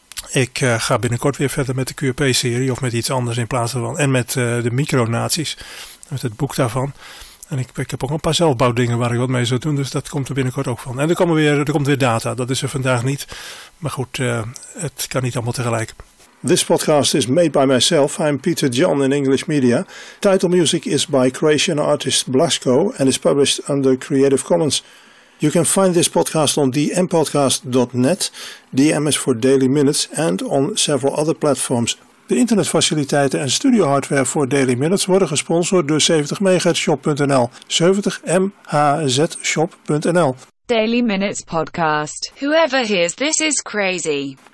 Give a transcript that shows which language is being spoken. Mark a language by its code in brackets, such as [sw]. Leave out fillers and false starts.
[nl] Ik ga binnenkort weer verder met de QRP-serie of met iets anders in plaats daarvan. En met de micronaties, met het boek daarvan. En ik heb ook een paar zelfbouwdingen waar ik wat mee zou doen, dus dat komt er binnenkort ook van. En er komt weer data, dat is er vandaag niet. Maar goed, het kan niet allemaal tegelijk. [en] This podcast is made by myself. I'm Peter John in English Media. Title music is by Croatian artist Blasco and is published under Creative Commons. You can find this podcast on dmpodcast.net, DM is for Daily Minutes, and on several other platforms. [nl] De internetfaciliteiten en studio hardware voor Daily Minutes worden gesponsord door 70MHzShop.nl, 70MHzShop.nl. [en] Daily Minutes Podcast. Whoever hears this is crazy.